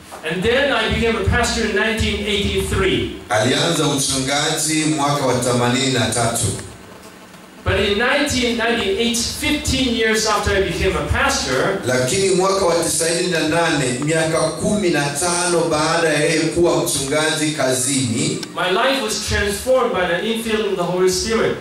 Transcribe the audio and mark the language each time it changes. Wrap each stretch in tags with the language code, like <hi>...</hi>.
<en>And then I became a pastor in 1983.</en> <sw>Alianza uchungaji mwaka wa 83.</sw> <en>But in 1998, 15 years after I became a pastor,</en> <sw>lakini mwaka wa 98, miaka 15 baada ya yeye kuwa mchungaji kazini,</sw> <en>my life was transformed by the infilling of the Holy Spirit.</en>